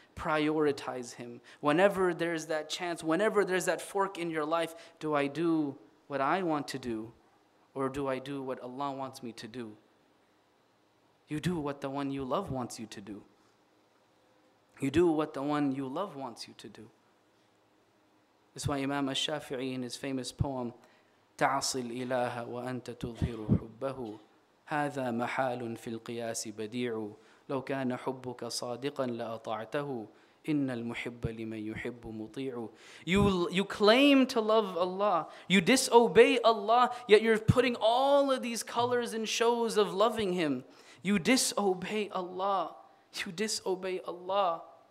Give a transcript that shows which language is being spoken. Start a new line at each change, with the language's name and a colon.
English: Prioritize Him. Whenever there's that chance, whenever there's that fork in your life, do I do what I want to do? Or do I do what Allah wants me to do? You do what the one you love wants you to do. You do what the one you love wants you to do. That's why Imam al-Shafi'i in his famous poem,
Arabic: "تعصي الإله وأنت تظهر حبه هذا محال في القياس بديع لو كان حبك صادقا لأطعته إن المحب لمن يحب مطيع."
English: You claim to love Allah, you disobey Allah, yet you're putting all of these colors and shows of loving Him. You disobey Allah, you disobey Allah.